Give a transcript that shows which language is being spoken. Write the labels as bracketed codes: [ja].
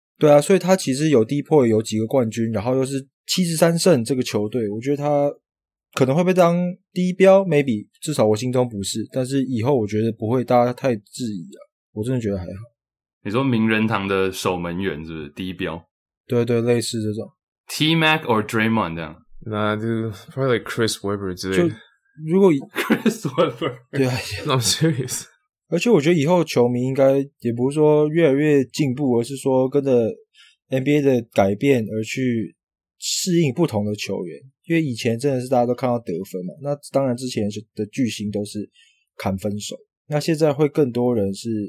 [zh] 对啊，所以他其实有 DPOY， 有几个冠军，然后又是73胜这个球队，我觉得他可能会被当低标 maybe， 至少我心中不是，但是以后我觉得不会大家太质疑啊，我真的觉得还好。你说名人堂的守门员是不是低标？对对，类似这种 T-Mac or Draymond 这样。那就 [en] probably like [zh] Chris Webber 之类的，就如果 Chris Webber，对啊 [en] I'm serious。 [zh] 而且我觉得以后球迷应该也不是说越来越进步，而是说跟着 NBA 的改变而去适应不同的球员，因为以前真的是大家都看到得分嘛，那当然之前的巨星都是砍分手，那现在会更多人是